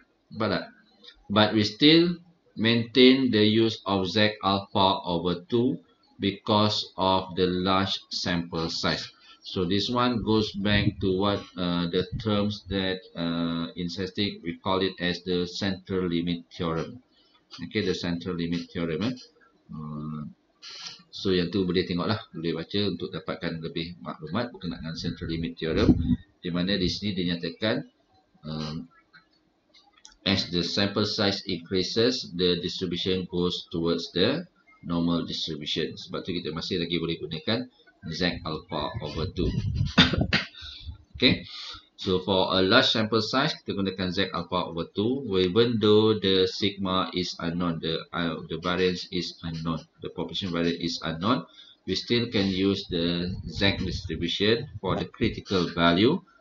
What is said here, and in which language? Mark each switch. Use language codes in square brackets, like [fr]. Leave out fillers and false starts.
[en] But we still maintain the use of Z alpha over 2 because of the large sample size. So this one goes back to what the terms that in statistic we call it as the central limit theorem. Okay, the central limit theorem. Eh? [ms] So yang tu boleh tengok lah, boleh baca untuk dapatkan lebih maklumat berkenaan dengan central limit theorem. Di mana di sini dinyatakan [en] as the sample size increases, the distribution goes towards the normal distribution. [ms] Sebab tu kita masih lagi boleh gunakan Z alpha over 2. [en] Okay, so for a large sample size, [ms] kita gunakan [en] Z alpha over 2, even though the sigma is unknown, the variance is unknown, the population variance is unknown, we still can use the Z distribution for the critical value.